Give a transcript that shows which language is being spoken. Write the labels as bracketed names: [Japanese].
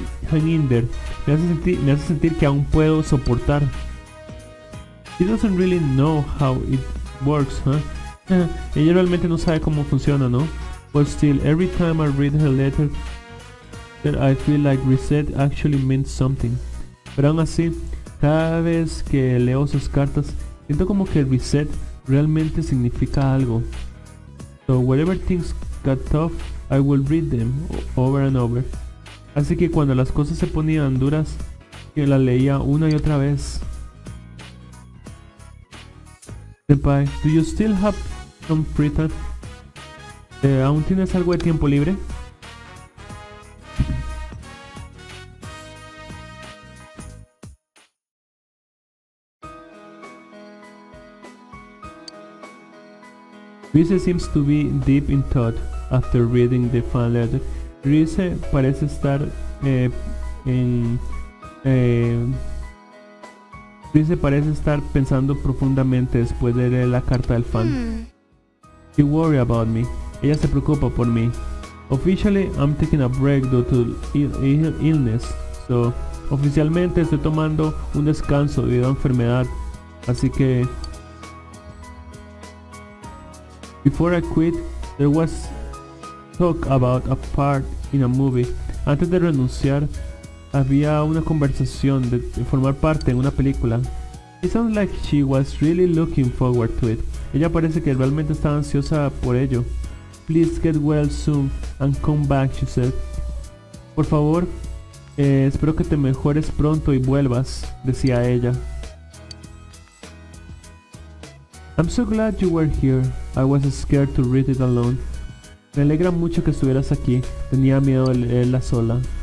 [Spanish] Hanginder, me hace sentir que aún puedo soportar. [English] She doesn't really know how it works, huh? [Spanish] Ella realmente no sabe cómo funciona, ¿no? [English] But still, every time I read her letter, that I feel like reset actually means something. [Spanish] Pero aún así, cada vez que leo sus cartas, siento como que reset realmente significa algo. [English] So whatever things got tough, I will read them over and over. [Spanish] Así que cuando las cosas se ponían duras, yo las leía una y otra vez. [English] Senpai, do you still have some free time? [Spanish] ¿Aún tienes algo de tiempo libre? [English] Rize seems to be deep in thought after reading the fan letter. [Spanish] Rize parece estar Rize parece estar pensando profundamente después de leer la carta del fan. [English] She worry about me. [Spanish] Ella se preocupa por mí. [English] Officially, I'm taking a break due to illness. [Spanish] So, oficialmente estoy tomando un descanso debido a enfermedad. Así que [English] before I quit, there was talk about a part in a movie. [Spanish] Antes de renunciar, había una conversación de formar parte en una película. [English] It sounds like she was really looking forward to it. [Spanish] Ella parece que realmente estaba ansiosa por ello. [English] Please get well soon and come back, she said. [Spanish] Por favor, espero que te mejores pronto y vuelvas, decía ella. [English] I'm so glad you were here. I was scared to read it alone. [Spanish] Me alegra mucho que estuvieras aquí. Tenía miedo de leerla sola.